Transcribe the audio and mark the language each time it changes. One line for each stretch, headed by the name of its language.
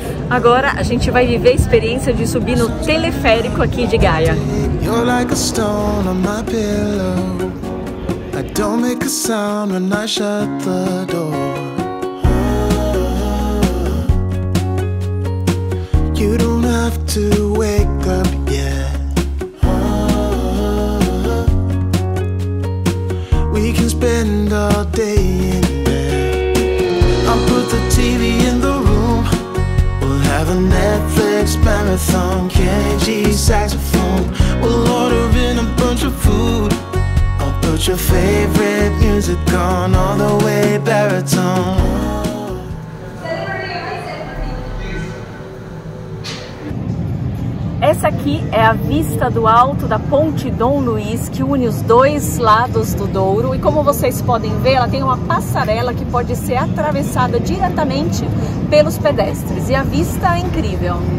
Portuguese: Agora a gente vai viver a experiência de subir no teleférico aqui de Gaia.
English: You're like a stone on my pillow. I don't make a sound when I shut the door. You don't have to wake up yet. We can spend all day in bed. I'll put the TV in the room. Have a Netflix marathon, KG saxophone. We'll order in a bunch of food. I'll put your favorite music on, all the way baritone.
Portuguese: Essa aqui é a vista do alto da Ponte Dom Luiz, que une os dois lados do Douro. E como vocês podem ver, ela tem uma passarela que pode ser atravessada diretamente pelos pedestres. E a vista é incrível.